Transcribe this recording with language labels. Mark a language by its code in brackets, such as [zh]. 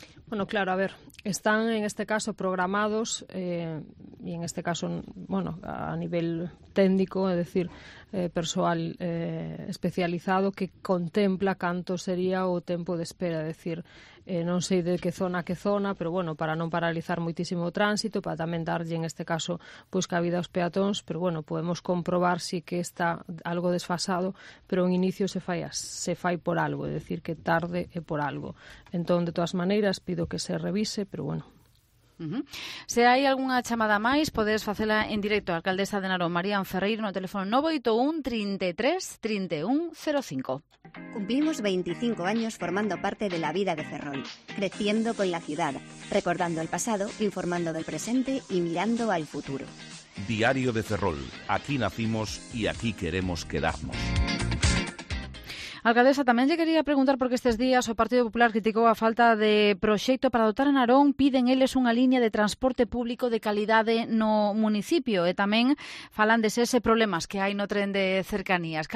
[es] Bueno, claro, a ver, están en este caso programados y en este caso, bueno, a nivel técnico, es decir, personal especializado [gl] que contempla canto sería o tempo de espera, es decir, non sei de que zona a que zona, pero bueno, para non paralizar moitísimo o tránsito, para tamén darlle en este caso pues, cabida aos peatóns, pero bueno, podemos comprobar si que está algo desfasado, pero en inicio se fai por algo, é dicir que tarde é por algo. Entón, de todas maneiras, pido que se revise, pero bueno. Se hai algunha chamada máis, podes facela en directo a alcaldesa de Narón, Marían Ferreiro, no teléfono 981-33-3105. [es] Cumplimos 25 años formando parte de la vida de Ferrol, creciendo con la ciudad, recordando el pasado, informando del presente y mirando al futuro. Diario de Ferrol, aquí nacimos y aquí queremos quedarnos. [gl] Alcaldesa, tamén lle quería preguntar porque estes días o Partido Popular criticou a falta de proxecto para dotar a Narón, piden eles unha línea de transporte público de calidade no municipio e tamén falan dese problemas que hai no tren de cercanías.